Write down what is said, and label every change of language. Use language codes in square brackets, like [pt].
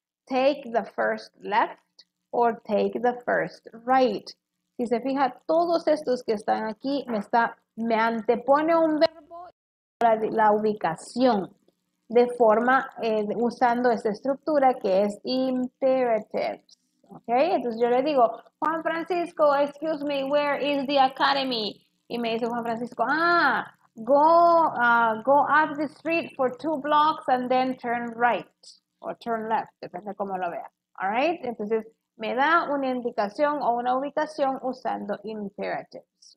[en] Take the first left or take the first right. [es] Si se fija, todos estos que están aquí me antepone un verbo la ubicación de forma usando esta estructura que es imperative. [en] Okay? [es] Entonces yo le digo, [en] Juan Francisco, excuse me, where is the academy? [es] Y me dice [en] Juan Francisco, go up the street for two blocks and then turn right. [es] O [en] turn left, [es] depende de cómo lo vea. [en] All right? [es] Entonces, me da una indicación o una ubicación usando imperatives.